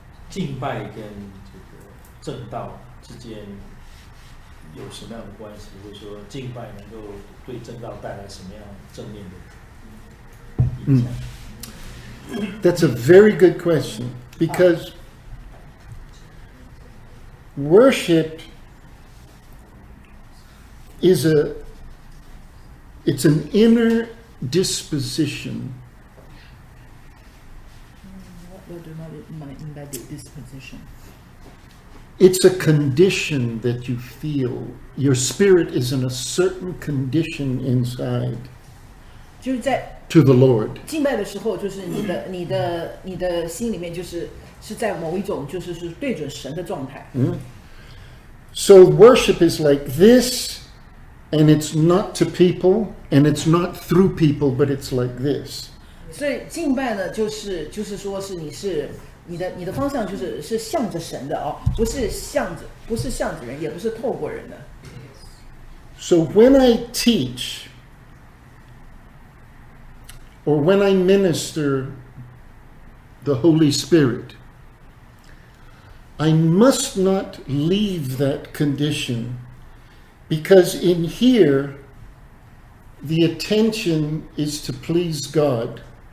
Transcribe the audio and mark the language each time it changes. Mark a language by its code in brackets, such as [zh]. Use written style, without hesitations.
[zh] 敬拜跟这个正道之间有什么样的关系？或者说，敬拜能够对正道带来什么样正面的影响？ [en] That's a very good question because worship is it's an inner disposition. What do you mean by disposition? It's a condition that you feel. Your spirit is in a certain condition inside. [zh] 就是在 [en] to the Lord. [zh] 敬拜的时候，就是你的心里面就是在某一种就是对准神的状态。 Mm-hmm. [en] So worship is like this, and it's not to people, and it's not through people, but it's like this. [zh] 所以敬拜呢，就是说是你的方向是向着神的哦，不是向着人，也不是透过人的。 [en] So when I teach, or when I minister the Holy Spirit, I must not leave that condition, because in here, the attention is to please God.